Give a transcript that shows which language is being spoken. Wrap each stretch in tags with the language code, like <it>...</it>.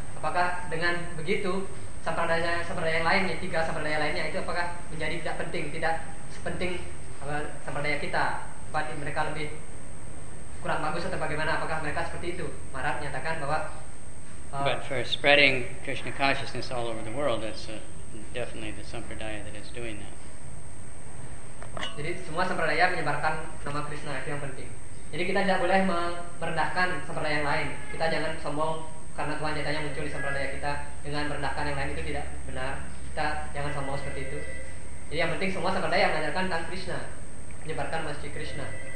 <id>Apakah dengan begitu sampradaya yang lain, tiga sampradaya lainnya itu apakah menjadi tidak penting, tidak sepenting sampradaya kita? Apakah mereka lebih kurang bagus atau bagaimana? Apakah mereka seperti itu? Maharaj menyatakan bahwa</id> <en>but for spreading Krishna consciousness all over the world, that's definitely the sampradaya that is doing that.</en> <id>Jadi semua sampradaya menyebarkan nama Krishna itu yang penting. Jadi kita tidak boleh merendahkan sampradaya yang lain. Kita jangan sombong karena Tuhan Chaitanya muncul di sampradaya kita dengan merendahkan yang lain, itu tidak benar. kita jangan sama seperti itu. Jadi yang penting semua sampradaya yang mengajarkan tentang Krishna, menyebarkan Mahasiswa Krishna.</id>